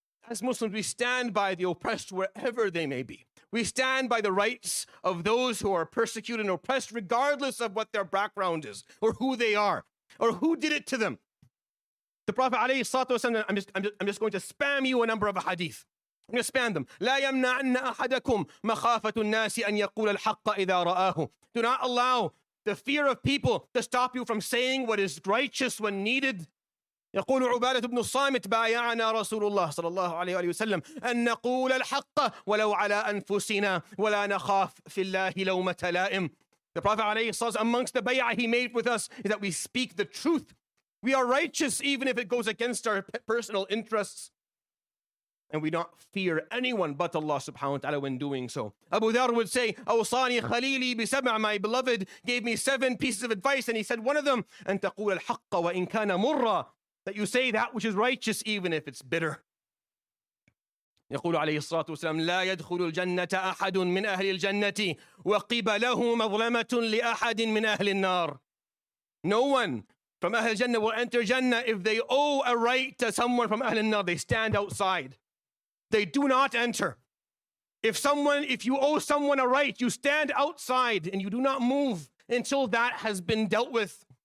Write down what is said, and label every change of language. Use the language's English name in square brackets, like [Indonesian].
[English] As Muslims, we stand by the oppressed wherever they may be. We stand by the rights of those who are persecuted and oppressed, regardless of what their background is, or who they are, or who did it to them. The Prophet ﷺ, I'm just going to spam you a number of hadith. I'm going to spam them. [Arabic] لا يمنعن أحدكم مخافة الناس أن يقول الحق إذا رآه. [English] Do not allow the fear of people to stop you from saying what is righteous when needed. [Arabic] يقول عبادة بن الصامت بايعنا رسول الله صلى الله عليه وسلم أن نقول الحق ولو على أنفسنا ولا نخاف في الله لومة لائم. [English] The Prophet [Arabic] عليه الصلاة والسلام, [English] amongst the bay'ah he made with us, is that we speak the truth. We are righteous even if it goes against our personal interests. And we don't fear anyone but Allah subhanahu wa ta'ala when doing so. Abu Dharr would say, [Arabic] أوصاني خليلي بسبع, [English] my beloved gave me 7 pieces of advice, and he said one of them, [Arabic] أن تقول الحق وإن كان مرا, [English] that you say that which is righteous even if it's bitter. [Arabic] يقول عليه الصلاة والسلام, لا يدخل الجنة أحد من أهل الجنة وقبله مظلمة لأحد من أهل النار. [English] No one from [Arabic] أهل الجنة [English] will enter Jannah if they owe a right to someone from [Arabic] أهل النار. [English] They stand outside. They do not enter. If you owe someone a right, you stand outside and you do not move until that has been dealt with.